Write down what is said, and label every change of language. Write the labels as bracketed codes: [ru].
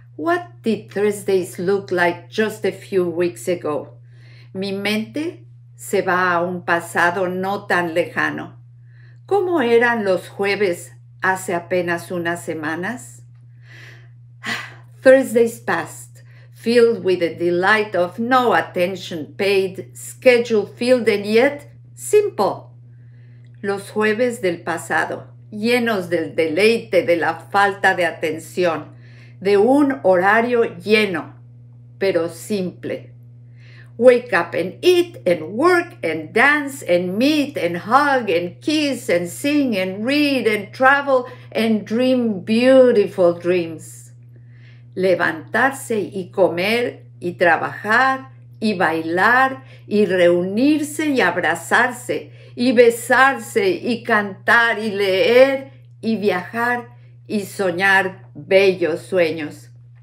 [en] What did Thursdays look like just a few weeks ago? [es] Mi mente se va a un pasado no tan lejano. ¿Cómo eran los jueves hace apenas unas semanas? [en] Thursdays passed, filled with the delight of no attention paid, schedule filled and yet simple. [es] Los jueves del pasado. Llenos del deleite de la falta de atención, de un horario lleno, pero simple. [en] Wake up and eat and work and dance and meet and hug and kiss and sing and read and travel and dream beautiful dreams. [es] Levantarse y comer y trabajar y bailar y reunirse y abrazarse y besarse, y cantar, y leer, y viajar, y soñar bellos sueños.